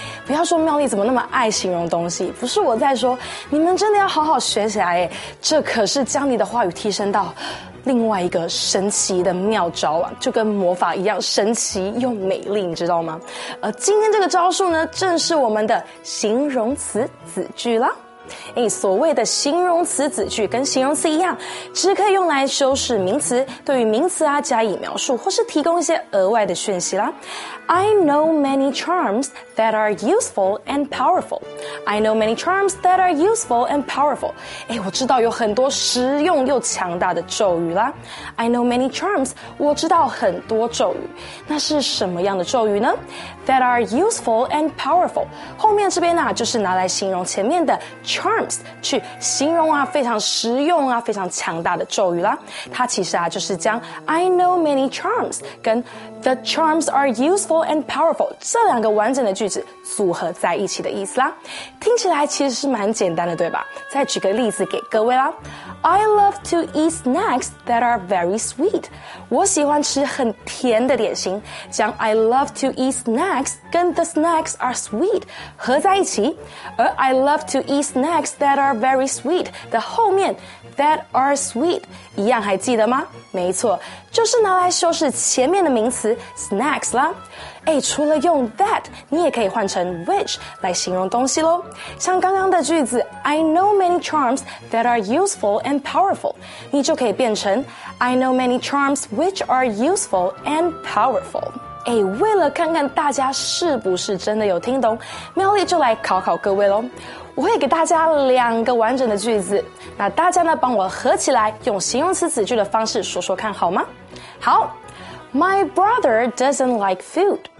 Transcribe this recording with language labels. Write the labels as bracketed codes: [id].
[zh] 不要说妙丽怎么那么爱形容东西，不是我在说，你们真的要好好学起来耶，这可是将你的话语提升到另外一个神奇的妙招啊，就跟魔法一样神奇又美丽，你知道吗？今天这个招数呢，正是我们的形容词子句啦。所谓的形容词子句跟形容词一样，只可以用来修饰名词，对于名词啊加以描述或是提供一些额外的讯息啦。 [en] I know many charms that are useful and powerful. I know many charms that are useful and powerful. [zh] 我知道有很多实用又强大的咒语啦。 [en] I know many charms. [zh] 我知道很多咒语。那是什么样的咒语呢？ [en] That are useful and powerful. [zh] 后面这边啊，就是拿来形容前面的 charms 去形容啊，非常实用啊，非常强大的咒语啦。它其实啊，就是将 [en] I know many charms [zh] 跟 [en] the charms are useful and powerful [zh] 这两个完整的句子组合在一起的意思啦。听起来其实是蛮简单的，对吧？再举个例子给各位啦。 [en] I love to eat snacks that are very sweet. [zh] 我喜欢吃很甜的点心。将 [en] I love to eat snacks [zh] 跟 [en] the snacks are sweet [zh] 合在一起，而 I love to eat snacks [en] snacks that are very sweet [zh] 的后面 [en] that are sweet [zh] 一样还记得吗？没错，就是拿来修饰前面的名词 snacks 啦。哎，除了用 that， 你也可以换成 which 来形容东西咯。像刚刚的句子 [en] I know many charms that are useful and powerful， [zh] 你就可以变成 I know many charms which are useful and powerful。哎，为了看看大家是不是真的有听懂，喵丽就来考考各位咯。我会给大家两个完整的句子，那大家呢帮我合起来，用形容词子句的方式说说看好吗？好。 [en] My brother doesn't like food.